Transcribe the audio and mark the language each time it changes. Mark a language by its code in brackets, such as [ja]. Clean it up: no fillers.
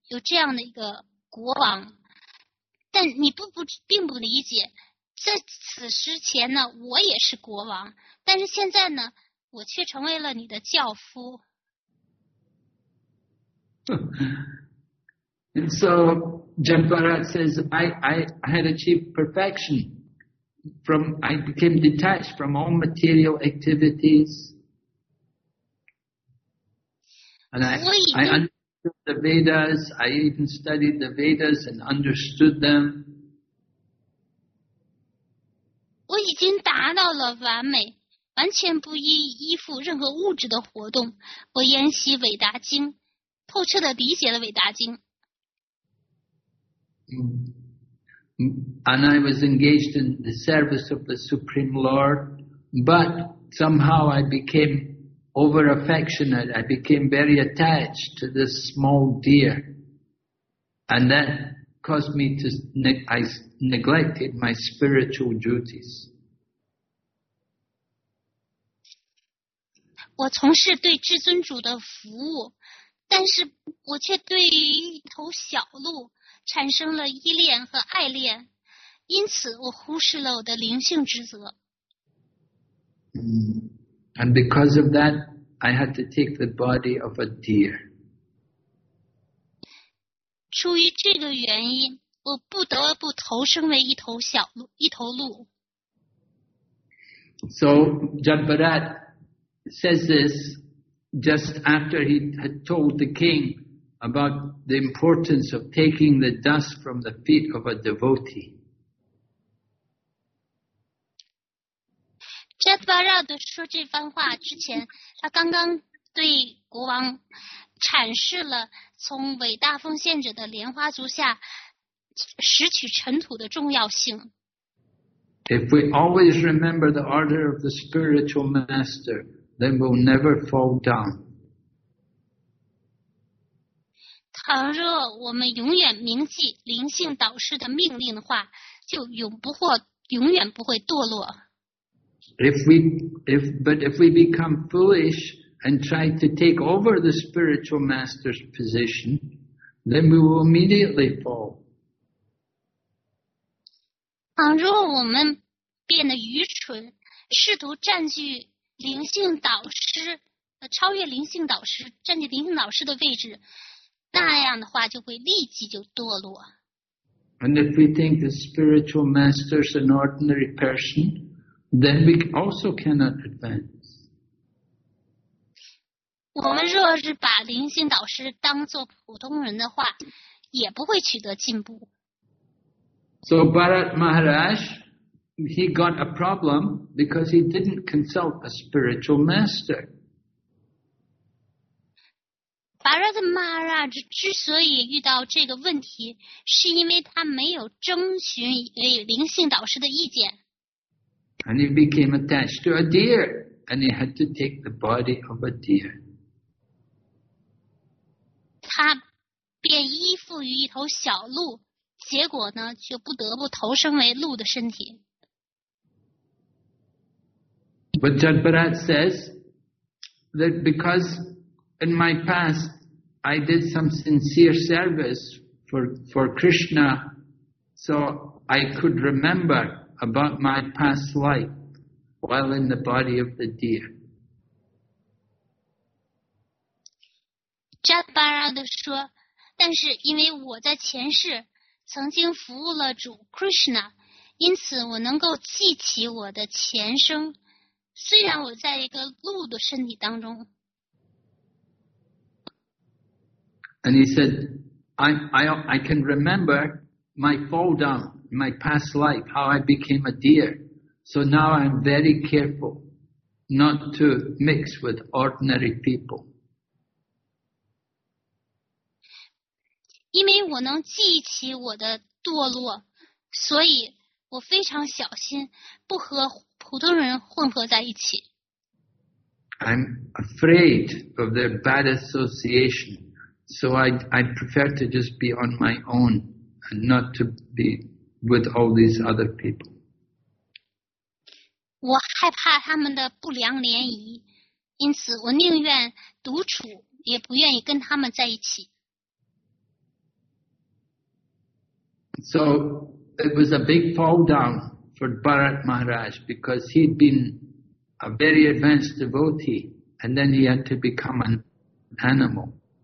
[zh] 有这样的一个国王，但你并不理解，在此时前呢，我也是国王，但是现在呢，我却成为了你的教夫。 [en] And so Jambarat says, I had achieved perfection. I became detached from all material activities. And I understood the Vedas. I even studied the Vedas and understood them. [zh] 我已经达到了完美，完全不依附任何物质的活动。我研习伟达经，透彻地理解了伟达经。 [en] And I was engaged in the service of the Supreme Lord, but somehow I became over affectionate. I became very attached to this small deer, and that caused me to I neglected my spiritual duties. [zh] 我从事对至尊主的服务，但是我却对于一头小鹿产生了依恋和爱恋，因此我忽视了我的灵性职责。 [en] And because of that, I had to take the body of a deer. [zh] 出于这个原因，我不得不投生为一头小鹿，一头鹿。 [en] So Jambarat says this just after he had told the king. About the importance of taking the dust from the feet of a devotee. [zh] Jambarat 说这番话之前，他刚刚对国王阐释了从伟大奉献者的莲花足下拾取尘土的重要性。 [en] If we always remember the order of the spiritual master, then we'll never fall down. [zh] 倘若我们永远铭记灵性导师的命令的话，就永远不会堕落。 [en] If we become foolish and try to take over the spiritual master's position, then we will immediately fall. [zh] 倘若我们变得愚蠢，试图占据灵性导师，超越灵性导师，占据灵性导师的位置。那样的话就会立即就堕落。 [en] And if we think the spiritual master is an ordinary person, then we also cannot advance. [zh] 我们若是把灵性导师当作普通人的话，也不会取得进步。 [en] So Bharat Maharaj, he got a problem because he didn't consult a spiritual master. [zh] 巴拉特玛拉之所以遇到这个问题，是因为他没有征询灵性导师的意见。 [en] And he became attached to a deer, and he had to take the body of a deer. [zh] 他便依附于一头小鹿，结果呢，就不得不投生为鹿的身体。 [en] But Jambarat says that because in my past,I did some sincere service for Krishna, so I could remember about my past life while in the body of the deer. [zh] Jambarat 说，但是因为我在前世曾经服务了主 Krishna, 因此我能够记起我的前生，虽然我在一个鹿的身体当中。 [en] And he said, I can remember my fall down, my past life, how I became a deer. So now I'm very careful not to mix with ordinary people. [zh] 因为我能记起我的堕落，所以我非常小心不和普通人混合在一起。 [en] I'm afraid of their bad association. So I prefer to just be on my own and not to be with all these other people. [zh] 我害怕他们的不良联谊，因此我宁愿独处，也不愿意跟他们在一起。 [en] So it was a big fall down for Bharat Maharaj because he'd been a very advanced devotee and then he had to become an animal.